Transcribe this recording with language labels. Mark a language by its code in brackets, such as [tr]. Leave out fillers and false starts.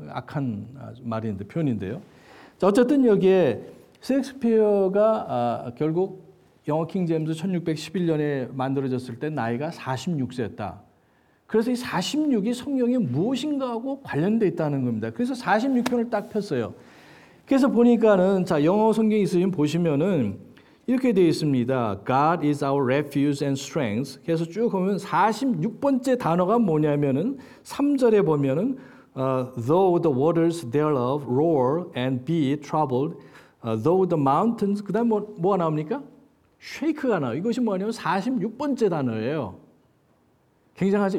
[ko] 악한 말인데, 표현인데요. 자, 어쨌든 여기에 셰익스피어가 결국 영어 킹제임스 1611년에 만들어졌을 때 나이가 46세였다. 그래서 이 46이 성경이 무엇인가하고 관련되어 있다는 겁니다. 그래서 46편을 딱 폈어요. 그래서 보니까는 자, 영어 성경 있으시면 보시면은 이렇게 되어 있습니다. [en] God is our refuge and strength. [ko] 그래서 쭉 보면 46번째 단어가 뭐냐면은 3절에 보면은 [en] though the waters thereof roar and be troubled, though the mountains, [ko] 그 다음 뭐가 나옵니까? shake가 나와요. 이것이 뭐냐면 46번째 단어예요. 굉장하죠?